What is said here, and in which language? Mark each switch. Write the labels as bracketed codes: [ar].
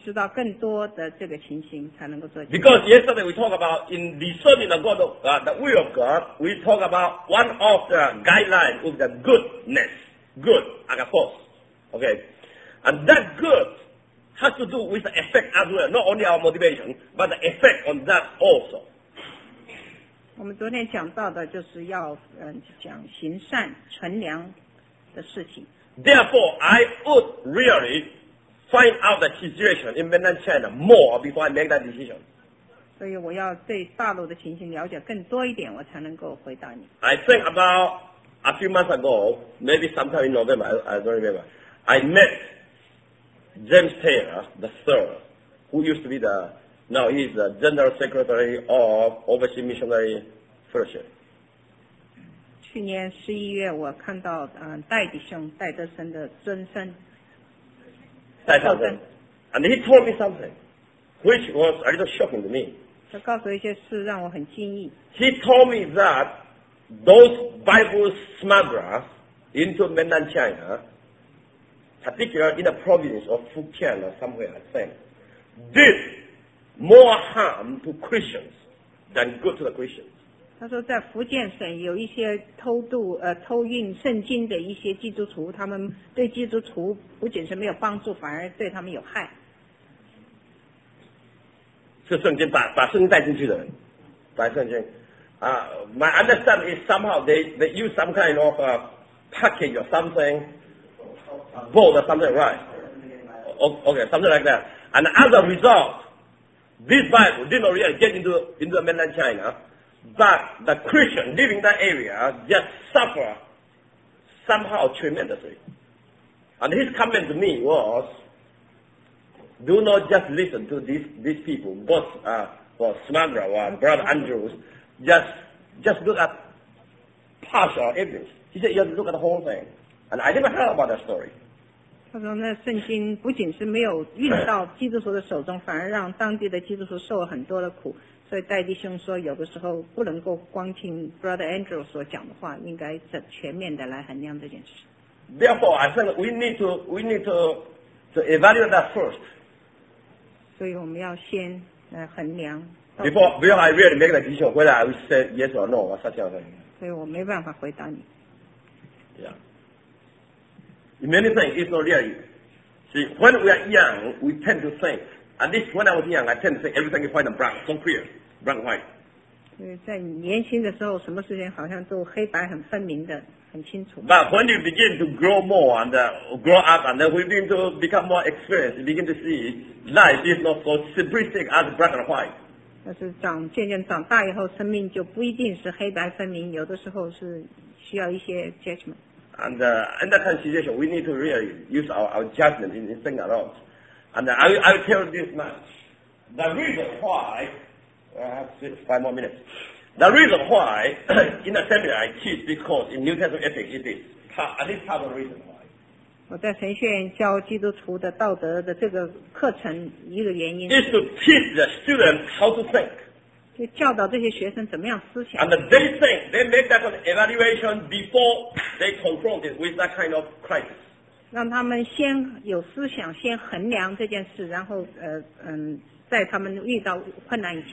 [en] Because yesterday we talked about in discerning the God of God, the will of God, we talked about one of the guidelines of the goodness, good, agapos. Okay. And that good has to do with the effect as well, not only our motivation, but the effect on that also. [zh] 我们昨天讲到的就是要讲行善、纯良的事情。 [en] Therefore, I would really... find out the situation in mainland China more before I make that decision. [zh] 所以我要对大陆的情形了解更多一点，我才能够回答你。 [en] I think about a few months ago, maybe sometime in November, I don't remember. I met James Taylor the Third, who used to be he's the General Secretary of Overseas Missionary Fellowship. [zh] 去年十一月，我看到戴弟兄戴德森的尊称。 [en] And he told me something which was a little shocking to me. [zh] 他告诉一些事让我很惊异。 [en] He told me that those Bible smugglers into mainland China, particularly in the province of Fujian or somewhere, I think, did more harm to Christians than good to the Christians. [zh] 他说在福建省有一些偷运圣经的一些基督徒，他们对基督徒不仅是没有帮助，反而对他们有害。是圣经把圣经带进去的人，把圣经。 [en] My understanding is somehow they use some kind of a package or something, bought or something, right? Okay, something like that. And as a result, this Bible did not really get into mainland China. But the Christian living in that area just suffer somehow tremendously. And his comment to me was, do not just listen to these people, both Smandra or Brother Andrews, just look at partial evidence. He said, you have to look at the whole thing. And I never heard about that story. [zh] 他说那圣经不仅是没有运到基督徒的手中，反而让当地的基督徒受了很多的苦。所以戴弟兄说，有的时候不能够光听 Brother Andrew 所讲的话，应该全面的来衡量这件事。 [en] Therefore, I think we need to evaluate that first. [zh] 所以我们要先衡量。 [en] Before I really make the decision whether I will say yes or no, I such a thing. [zh] 所以我没办法回答你。 [en] Yeah. In many things, it's not really. See, when we are young, we tend to think. At least when I was young, I tend to think everything is white and black, so clear, black and white. [zh] 所以在年轻的时候，什么事情好像都黑白很分明的。 [en] But when you begin to grow more and grow up and then we begin to become more experienced, you begin to see life is not so simplistic as black and white. [zh] 但是长渐渐长大以后，生命就不一定是黑白分明，有的时候是需要一些 judgment. [en] And in that kind of situation, we need to really use our judgment in thinking a lot. And I'll tell you this much. The reason why, I have 5 more minutes. The reason why in the seminar I teach because in New Testament ethics it is at least part of the reason why. [zh] 我在神学院教基督徒的道德的这个课程一个原因。 [en] Is to teach the students how to think. [zh] 就教导这些学生怎么样思想。 [en] And they think they make that kind of evaluation before they confront it with that kind of crisis. [zh] 让他们先有思想，先衡量这件事，然后在他们遇到困难以前。